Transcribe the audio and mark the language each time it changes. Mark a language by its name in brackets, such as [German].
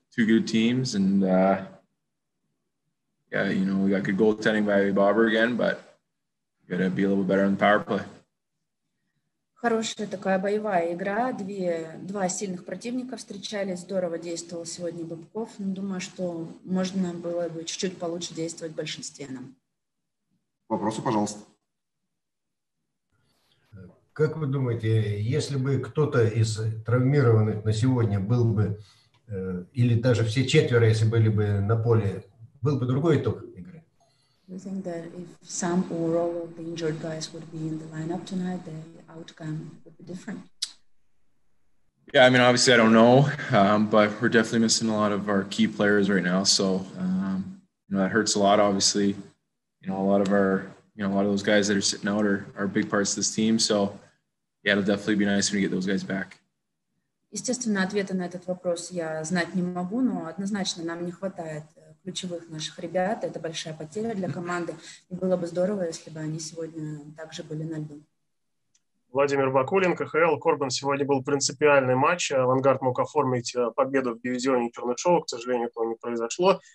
[English] Two good teams, and yeah, you know, we got good goaltending by Bobber again, but gotta be a little better on the power play. [Russian] Хорошая такая боевая игра. Два сильных противника встречались. Здорово действовал сегодня Бобков. Но думаю, что можно было бы чуть-чуть получше действовать большинстве нам. Вопросы, пожалуйста. Как вы думаете, если бы кто-то из травмированных на сегодня был бы, или даже все четверо, если были бы на поле, был бы другой итог? [English] Do you think that if some or all of the injured guys would be in the lineup tonight, the outcome would be different? Yeah, I mean, obviously, I don't know, but we're definitely missing a lot of our key players right now. So, you know, that hurts a lot, obviously. you know, a lot of our, you know, a lot of those guys that are sitting out are big parts of this team. So, yeah, it'll definitely be nice when we get those guys back. [Russian] Естественно, ответа на этот вопрос я знать не могу, но однозначно нам не хватает ключевых наших ребят. Это большая потеря для команды. И было бы здорово, если бы они сегодня также были на льду. Владимир Бакулин, КХЛ. Корбан, сегодня был принципиальный матч. Авангард мог оформить победу в дивизионе Чернышева. К сожалению, этого не произошло.